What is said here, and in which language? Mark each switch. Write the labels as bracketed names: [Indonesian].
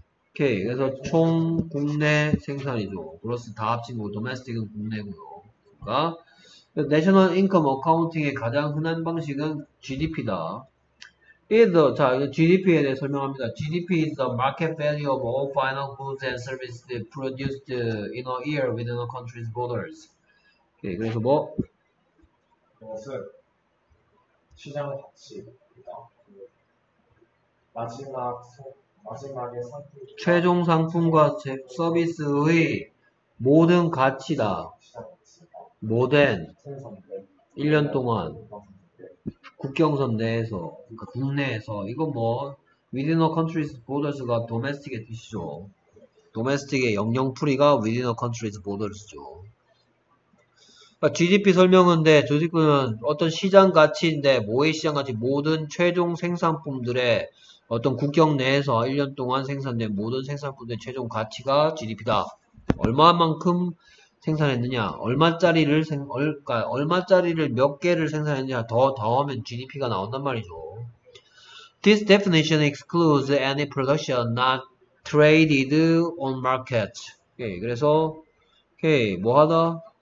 [Korean] 오케이 그래서 총 국내 생산이죠. 그렇습니다. 다 합친 거 도메스틱은 국내고요. 그러니까 내셔널 인컴 어카운팅의 가장 흔한 방식은 GDP다. 자, GDP에 대해 설명합니다. [English] GDP is the market value of all final goods and services produced in a year within a country's borders. [Korean] 오케이 그래서 뭐? 시장 가치입니다. 마지막에 최종 상품과 서비스의 모든 가치다. 뭐든 1년 동안 국경선 내에서, 그러니까 국내에서 이거 뭐 [English] within a country's borders [Korean] 가 domestic의 뜻이죠. domestic의 영영풀이가 [English] within a country's borders [Korean] 죠. 그러니까 GDP 설명인데 조직군은 어떤 시장 가치인데 뭐의 시장 가치? 모든 최종 생산품들의 어떤 국경 내에서 1년 동안 생산된 모든 생산품의 최종 가치가 GDP다. 얼마만큼 생산했느냐, 얼마짜리를 몇 개를 생산했느냐 더하면 GDP가 나온단 말이죠. [English] This definition excludes any production not traded on market. [Korean] 오케이, 그래서, 오케이, 뭐 하다?